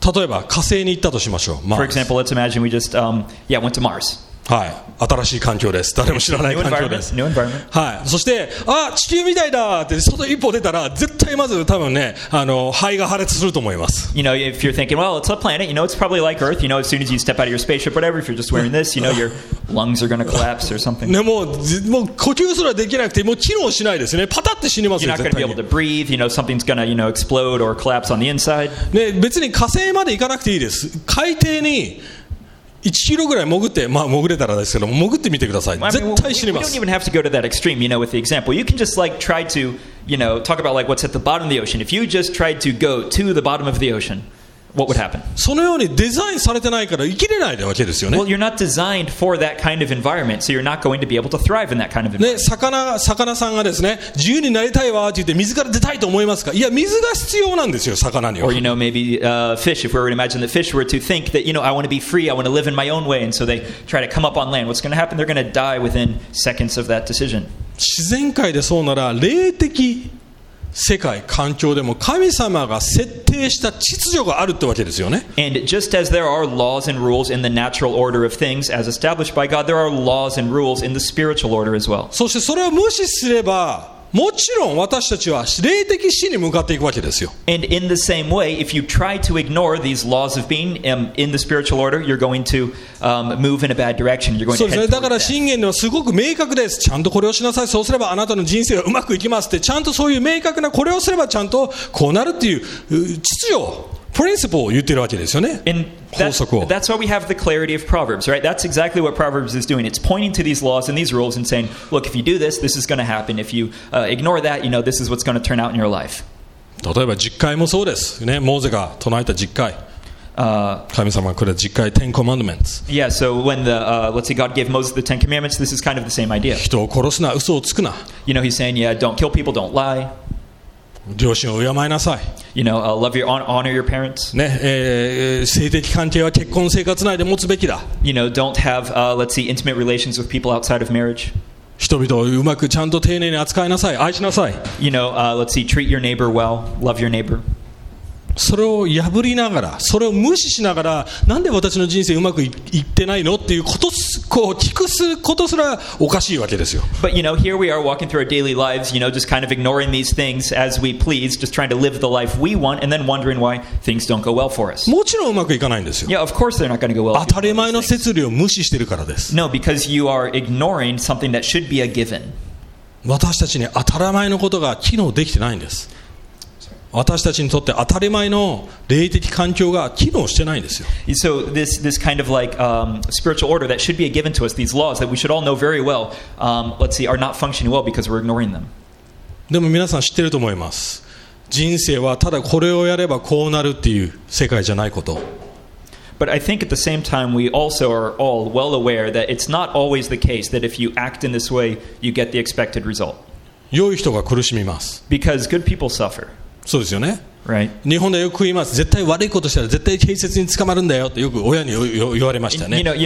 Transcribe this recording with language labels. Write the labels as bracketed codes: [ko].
[ja] 例えば火星に行ったとしましょう。 [en] For example, let's imagine we just went to Mars. [ja] はい、新しい環境です。誰も知らない環境です。 [en] New environment. [ja] はい、そしてあ、地球みたいだって外一歩出たら、絶対まず多分ね、肺が破裂すると思います。 [en] You know, if you're thinking, well, it's a planet, you know, it's probably like Earth. You know, as soon as you step out of your spaceship, whatever, if you're just wearing this, you know, your lungs are going to collapse or something. [ja] ね、もう呼吸すらできなくて、もう機能しないですね。パタって死にますよ。 [en] You're not going to be able to breathe. You know, something's going to, you know, explode or collapse on the inside. [ja] ね、別に火星まで行かなくていいです。海底に1キロぐらい潜って、まあ潜れたらですけども、潜ってみてください。絶対死にます。 [en] We don't even have to go to that extreme, you know, with the example. You can just like try to, you know, talk about like what's at the bottom of the ocean. If you just tried to go to the bottom of the ocean, what would happen? [ja] そのようにデザインされてないから生きれないわけですよね。 [en] Well, you're not designed for that kind of environment, so you're not going to be able to thrive in that kind of environment. [ja] ね、魚さんがですね、自由になりたいわって言って水から出たいと思いますか？いや、水が必要なんですよ、魚には。 [en] Or, you know, maybe fish, if we were to imagine that fish were to think that, you know, I want to be free, I want to live in my own way, and so they try to come up on land. What's going to happen? They're going to die within seconds of that decision. [ja] 自然界でそうなら、霊的世界環境でも神様が設定した秩序があるってわけですよね。 [en] And just as there are laws and rules in the natural order of things, as established by God, there are laws and rules in the spiritual order as well. [ja] そしてそれを無視すれば、もちろん私たちは霊的死に向かっていくわけですよ。 [en] And in the same way, if you try to ignore these laws of being in the spiritual order, you're going to move in a bad direction. You're going to head towards death. [ja] そうですね。だから箴言ではすごく明確です。ちゃんとこれをしなさい。そうすればあなたの人生がうまくいきますって。ちゃんとそういう明確なこれをすればちゃんとこうなるっていう秩序。 Principle を言ってるわけですよね。法則を。 [en] That's why we have the clarity of Proverbs, right? That's exactly what Proverbs is doing. It's pointing to these laws and these rules and saying, look, if you do this, this is going to happen. If you ignore that, you know, this is what's going to turn out in your life. [ja] 例えば十戒もそうです。ね、モーゼが唱えた十戒。神様がくれた十戒、Ten Commandments。 [en] Yeah, so when the, let's see, God gave Moses the Ten Commandments, this is kind of the same idea. [ja] 人を殺すな、嘘をつくな。 [en] You know, he's saying, yeah, don't kill people, don't lie. [ja] 両親を敬いなさい。 [en] You know, love your honor your parents. [ja] ね、性的関係は結婚生活内で持つべきだ。 [en] You know, don't have, let's see, intimate relations with people outside of marriage. [ja] 人々をうまくちゃんと丁寧に扱いなさい。愛しなさい。 [en] You know, let's see, treat your neighbor well. Love your neighbor. [ja] それを破りながら、それを無視しながら、なんで私の人生うまくいってないのっていうことす、こう聞くすことすらおかしいわけですよ。 [en] But you know, here we are walking through our daily lives, you know, just kind of ignoring these things as we please, just trying to live the life we want, and then wondering why things don't go well for us. [ja] もちろんうまくいかないんですよ。 [en] Yeah, of course they're not going to go well. [ja] 当たり前の摂理を無視してるからです。 [en] No, because you are ignoring something that should be a given. [ja] 私たちに当たり前のことが機能できてないんです。私たちにとって当たり前の霊的環境が機能してないんですよ。 [en] So this kind of like spiritual order that should be a given to us, these laws that we should all know very well, let's see, are not functioning well because we're ignoring them. [ja] でも皆さん知ってると思います。人生はただこれをやればこうなるっていう世界じゃないこと。 [en] But I think at the same time we also are all well aware that it's not always the case that if you act in this way, you get the expected result. [ja] 良い人が苦しみます。 [en] Because good people suffer. [ja] そうですよね、 [en] right. [ja] 日本ではよく言います絶対悪いことしたら絶対警察に捕まるんだよってよく親に言われましたね